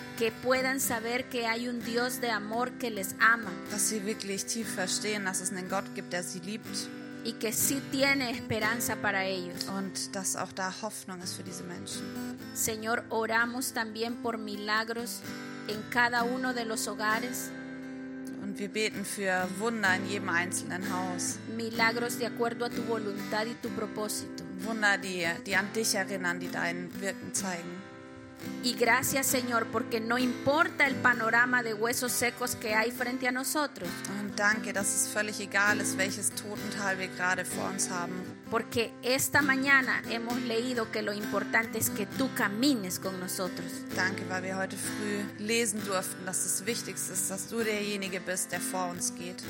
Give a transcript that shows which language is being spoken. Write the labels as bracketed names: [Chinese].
[Spanish] Que puedan saber que hay un Dios de amor que les ama. [German] Dass sie wirklich tief verstehen, dass es einen Gott gibt, der sie liebt. [Spanish] Y que sí tiene esperanza para ellos. [German] Und dass auch da Hoffnung ist für diese Menschen. [Spanish] Señor, oramos también por milagros en cada uno de los hogares. [German] Und wir beten für Wunder in jedem einzelnen Haus. [Spanish] Milagros de acuerdo a tu voluntad y tu propósito. [German] Wunder, die an dich erinnern, die dein Wirken zeigen. [Spanish] Y gracias, Señor, porque no importa el panorama de huesos secos que hay frente a nosotros. [German] Und danke, dass es völlig egal ist, welches Totental wir gerade vor uns haben. [Spanish] Porque esta mañana hemos leído que lo importante es que tú camines con nosotros. [German] Danke, weil wir heute früh lesen durften, dass das Wichtigste ist, dass du derjenige bist, der vor uns geht.